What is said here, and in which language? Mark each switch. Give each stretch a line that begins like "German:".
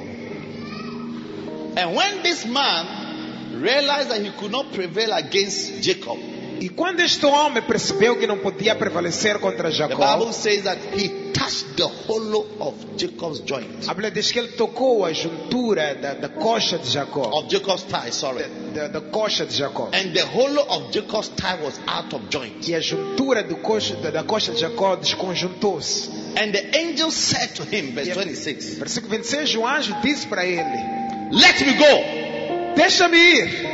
English: And when this man realized that he could not prevail against Jacob.
Portuguese: E quando este homem percebeu que não podia prevalecer contra Jacó.
English: The Bible says that he touched the hollow of Jacob's joint.
Portuguese: A Bíblia diz que ele tocou a juntura da coxa de Jacó.
English: Of Jacob's thigh, sorry.
Portuguese: The coxa de Jacó.
English: And the hollow of Jacob's thigh was out of joint.
Portuguese: E a juntura do da coxa de Jacó desconjuntou-se.
English: And the angel said to him, verse 26.
Portuguese: Versículo 26, o anjo disse para ele:
English: Let me go.
Portuguese: Deixa-me ir.